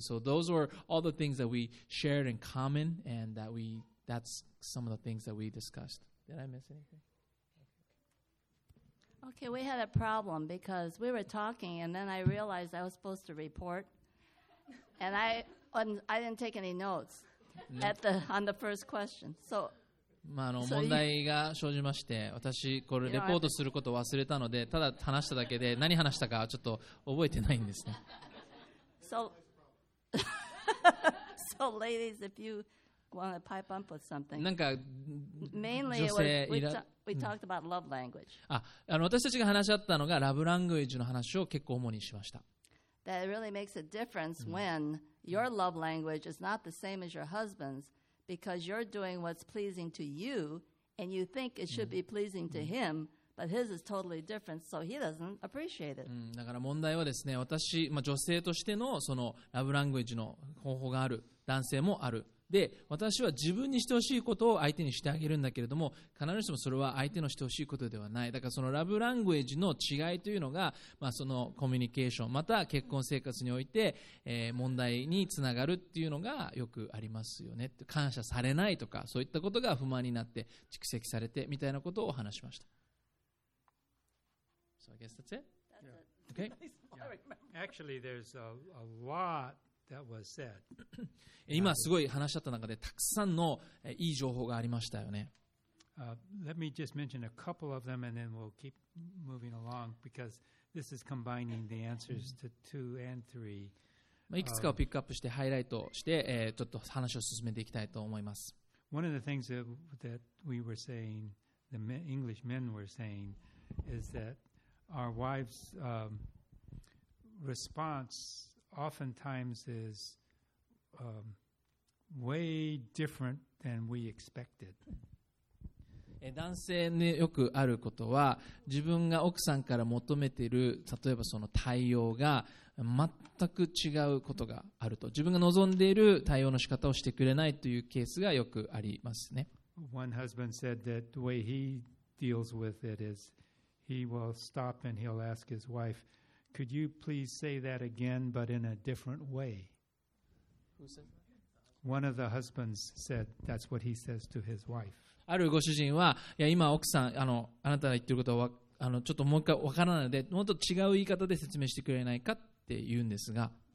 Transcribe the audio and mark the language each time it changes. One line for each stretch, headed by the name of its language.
English: So those were all the things that we shared in common, and that's some of the things that we discussed. Did I miss anything? Okay, we had a problem because we were talking, and then I realized I was supposed to report, and I didn't take any notes on the first question. So,
Japanese: まあ、問題が生じまして、私これレポートすることを忘れたので、ただ話しただけで何話したかちょっと覚えてないんですね。
English: So, ladies, if you want to pipe up with something, なんか mainly
Japanese: 女性
English: いら。We talked about love language.
Japanese: 私たちが話し合ったのがラブラングエッジの話を結構主にしました。
English: That really makes a difference when your love language is not the same as your husband's, because you're doing what's pleasing to you, and you think it should be pleasing to him, but his is totally different, so he doesn't appreciate it.
Japanese: だから問題はですね、私、まあ、女性としてのそのラブラングエッジの方法がある、男性もある。で、私は自分にしてほしいことを相手にしてあげるんだけれども、必ずしもそれは相手のしてほしいことではない。だからそのラブラングエッジの違いというのが、まあ、そのコミュニケーション、また結婚生活において、問題につながるっていうのがよくありますよね。感謝されないとか、そういったことが不満になって蓄積されてみたいなことをお話しました。
English: So I guess that's it? That's it. Okay. Yeah. Actually, there's a lot. That was said.
Japanese: 今すごい話し合った中でたくさんのいい情報がありましたよね。
English: Let me just mention a couple of them and then we'll keep moving along because this is combining the answers to 2 and 3.
Japanese: いくつかをピックアップしてハイライトして、ちょっと話を進めていきたいと思います。
English: One of the things that we were saying, the English men were saying, is that our wives' responseoftentimes is way different than we expected.
Japanese: 男性によくあることは、自分が奥さんから求めている、例えばその対応が全く違うことがあると。自分が望んでいる対応の仕方をしてくれないというケースがよくありますね。
English: One husband said that the way he deals with it is he will stop and he'll ask his wife,Could you please say that again, but in a different way? Who said that? One of the husbands said that's what he says to his wife.
Japanese: あるご主人は、いや今奥さん、あなたが言ってることはちょっともう一回わからないので、もっと違う言い方で説明してくれないかって言うんですが。